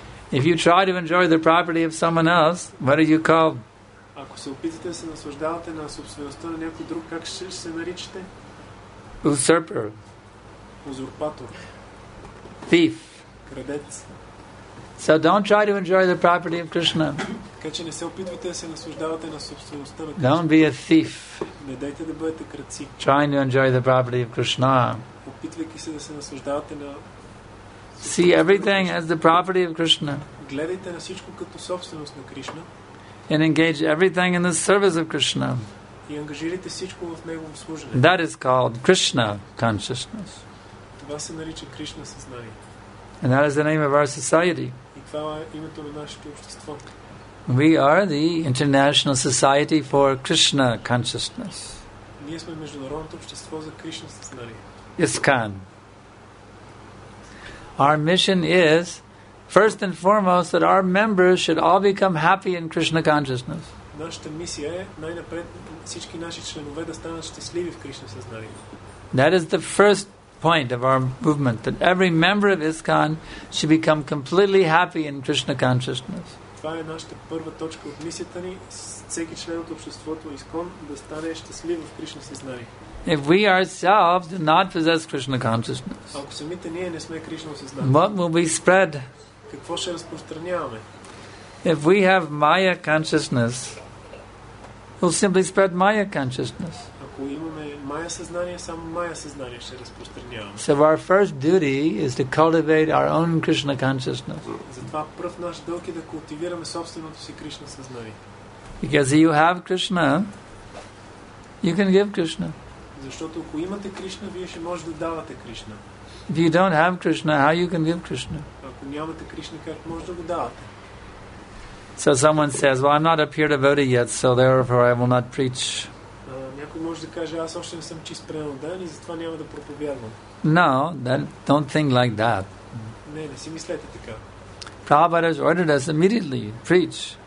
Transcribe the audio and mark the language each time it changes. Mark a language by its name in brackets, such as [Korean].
[English] If you try to enjoy the property of someone else, what are you called? [Bulgarian] Ако се опитате да се наслаждавате на собствеността на някой друг, как ще се наричате? [English] Usurper. [Bulgarian] Узурпатор. [English] Thief. [Bulgarian] Крадец. [English] So don't try to enjoy the property of Krishna. [Bulgarian] Така че не се опитвате да се наслаждавате на собствеността на Кришна. [English] Don't be a thief. [Bulgarian] Не дайте да бъдете крадци. [English] Trying to enjoy the property of Krishna. [Bulgarian] Опитвайки се да се наслаждавате на. [English] See everything as the property of Krishna. [Bulgarian] Гледайте на всичко като собственост на Кришна. [English] And engage everything in the service of Krishna. [Bulgarian] И ангажирайте всичко в негово служене. [English] That is called Krishna consciousness. [Bulgarian] Това се нарича Кришна съзнание. [English] And that is the name of our society. [Bulgarian] И това е името на нашето общество. [English] We are the International Society for Krishna consciousness. [Bulgarian] Ние сме международното общество за Кришна съзнание. [English] ISKCON. Our mission is, first and foremost, that our members should all become happy in Krishna consciousness. [Bulgarian] Нашата мисия е най-напред всички наши членове да станат щастливи в Кришна съзнание. [English] That is the first point of our movement, that every member of ISKCON should become completely happy in Krishna consciousness. [Bulgarian] Това е нашата първа точка от мисията ни, всеки член от обществото ISKCON да стане щастлив в Кришна съзнание. [English] If we ourselves do not possess Krishna consciousness, [Bulgarian] ако самите ние не сме Кришна [English] съзнание, what will we spread? [Bulgarian] Какво ще разпространяваме? [English] If we have Maya consciousness, we'll simply spread Maya consciousness. [Bulgarian] Ако имаме Maya съзнание, само Maya съзнание ще разпространяваме. [English] So our first duty is to cultivate our own Krishna consciousness. [Bulgarian] Затова пръв наш дълг е да култивираме собственото си Кришна съзнание. [English] Because if you have Krishna, you can give Krishna. [Bulgarian] Защото ако имате Кришна, вие ще можете да давате Кришна. [English] If you don't have Krishna, how you can give Krishna? [Bulgarian] Ако нямате Кришна, как може да го давате? [English] So someone says, well, I'm not a pure devotee yet, so therefore I will not preach. [Bulgarian] Някой може да каже, аз още не съм чист преданник и затова няма да проповядвам. [English] No, then don't think like that. [Bulgarian] Не, не си мислете така. [English] Prabhupada has ordered us immediately, preach.